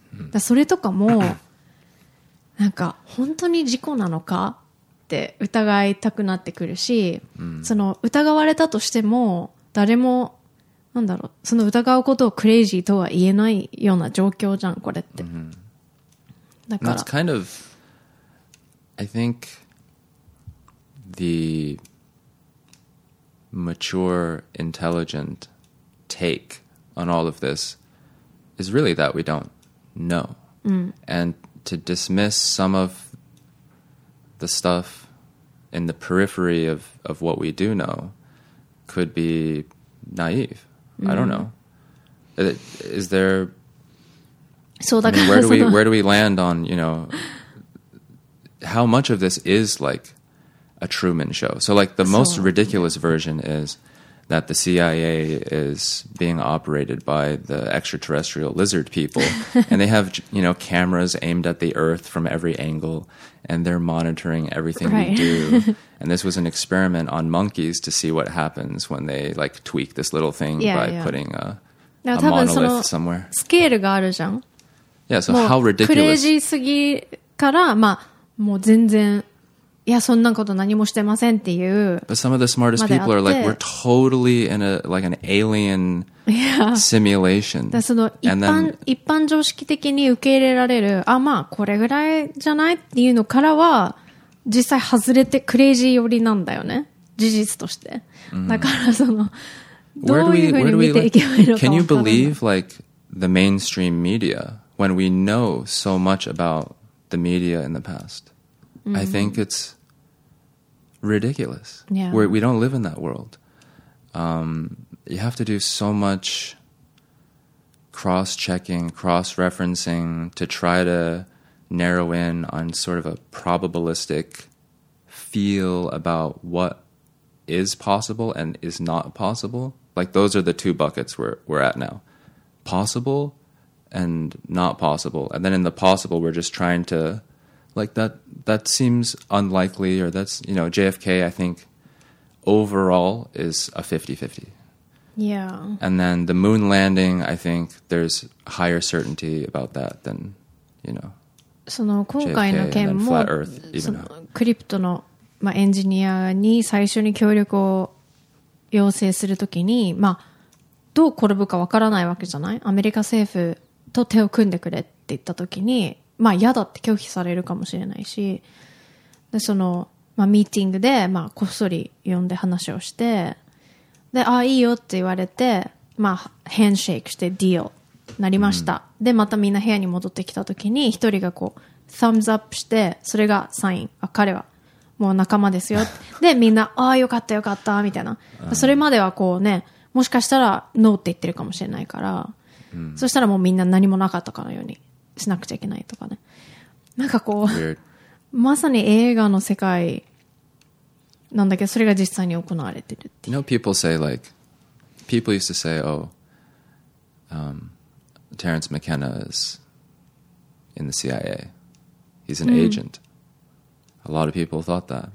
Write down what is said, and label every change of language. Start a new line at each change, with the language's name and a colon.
Japanese: だそれとかもなんか本当に事故なのかって疑いたくなってくるし、その疑われたとしても誰もなんだろう、その疑うことをクレイジーとは言えないような状況じゃんこれって。だから
English: That's kind of I think the mature intelligent take on all of this is really that we don'tNo. And to dismiss some of the stuff in the periphery of what we do know could be naive. Mm-hmm. I don't know. Is there... So I mean, where do we land on, you know, how much of this is like a Truman Show? So like the most ridiculous version is that the CIA is being operated by the extraterrestrial lizard people and they have, you know, cameras aimed at the Earth from every angle and they're monitoring everything right. we do. And this was an experiment on monkeys to see what happens when they like tweak this little thing putting a monolith somewhere.
Japanese: Scale があるじゃん。
English: Yeah, so how ridiculous.
Japanese: クレイジーすぎから、まあ、もう全然、いや、そんなこと何もしてませんっていう。
English: But some of the smartest people are like, we're totally in a, like an alien simulation.
Japanese: だその一般常識的に受け入れられる、あ、まあ、これぐらいじゃないっていうのからは、実際外れてクレイジー寄りなんだよね。事実として。だから、その、どういうふうに見ていけばいいのか分からない。
English: Can you believe, like, the mainstream media? When we know so much about the media in the past, mm-hmm. I think it's ridiculous. Yeah. We don't live in that world. You have to do so much cross-checking, cross-referencing to try to narrow in on sort of a probabilistic feel about what is possible and is not possible. Like those are the two buckets we're at now. Possible... And not possible. And then in the possible, we're just trying to, like, that seems unlikely, or that's, you know, JFK, I think, overall is a 50-50. Yeah. And then the moon landing, I think there's higher certainty about that than, you know,
Japanese: その今回の件も、
English: flat earth, even
Japanese: そのクリプトの、まあ、エンジニアに最初に協力を要請するときに、まあ、どう転ぶか分からないわけじゃない? アメリカ政府と手を組んでくれって言った時に、まあ嫌だって拒否されるかもしれないし、でその、まあミーティングで、まあこっそり呼んで話をして、で、ああいいよって言われて、まあヘンシェイクしてディールなりました。うん、で、またみんな部屋に戻ってきた時に、一人がこう、サムズアップして、それがサイン。あ、彼はもう仲間ですよ。で、みんな、ああよかったよかった、みたいな。それまではこうね、もしかしたらノーって言ってるかもしれないから、うん、そしたらもうみんな何もなかったかのようにしなくちゃいけないとかね。なんかこう、まさに映画の世界なんだけど、それが実際に行われてるっていう。
English: You know, people say like, people used to say, oh, Terrence McKenna is in the CIA. He's an agent.、うん、A lot of people thought that.、